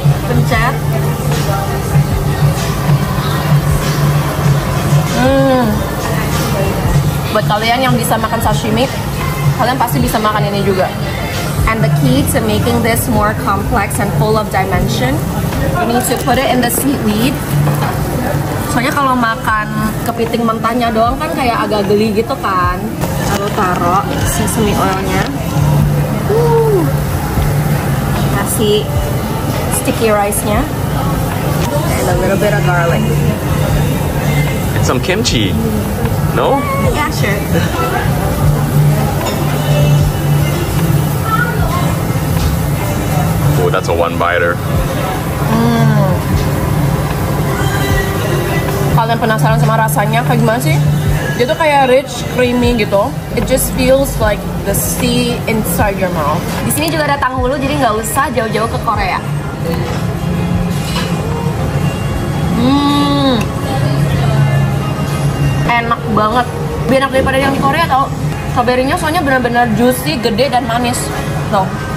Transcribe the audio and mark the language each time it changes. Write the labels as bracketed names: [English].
[Indonesian] Pencet. Buat kalian yang bisa makan sashimi, kalian pasti bisa makan ini juga. [English] And the key to making this more complex and full of dimension, you need to put it in the seaweed. [Indonesian] Soalnya kalau makan kepiting mentahnya doang kan kayak agak geli gitu kan. Lalu taruh sesame oilnya. Kasih sticky rice-nya. [English] And a little bit of garlic. And some kimchi. No? Yeah, sure. Oh, that's a one-biter. [Indonesian] Kalian penasaran sama rasanya kayak gimana sih? Dia tuh kayak rich, creamy gitu. [English] It just feels like the sea inside your mouth. [Indonesian] Di sini juga ada tanghulu, jadi nggak usah jauh-jauh ke Korea. Enak banget. Lebih enak daripada yang di Korea tau. Strawberry-nya soalnya benar-benar juicy, gede, dan manis. Tuh.